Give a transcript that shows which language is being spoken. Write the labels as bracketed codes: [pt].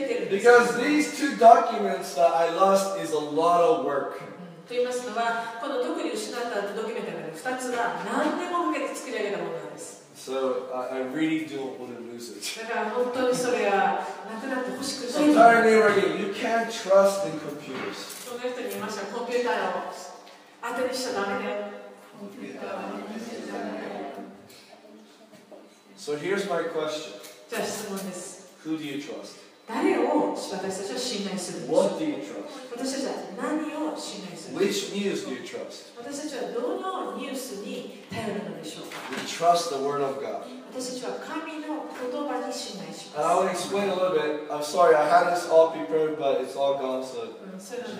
[en] Because these two documents that I lost is a lot of work. [ja] と言いますのは、この特に失ったドキュメンタリーの2つは何年もかけて作り上げたものなんです。 [en] So, I really don't want to lose it. [ja] だから本当にそれはなくなってほしくない。 [en] So, tell your neighbor again, you can't trust in computers. [ja] その人に言いました、コンピューターを当てにしちゃダメだよ。 [en] So, here's my question. [ja] じゃあ質問です。 [en] Who do you trust? [ja] 誰を私たちは信頼するんですか? [en] What do you trust? [ja] 私たちは何を信頼するんです [en] か?Which news do you trust? [ja] 私たちはどのニュースに頼るのでしょうか? [en] We trust the word of God. [ja] 私たちは神の言葉に信頼します。 [en] And I want to explain a little bit. I'm sorry, I had this all prepared, but it's all gone, so you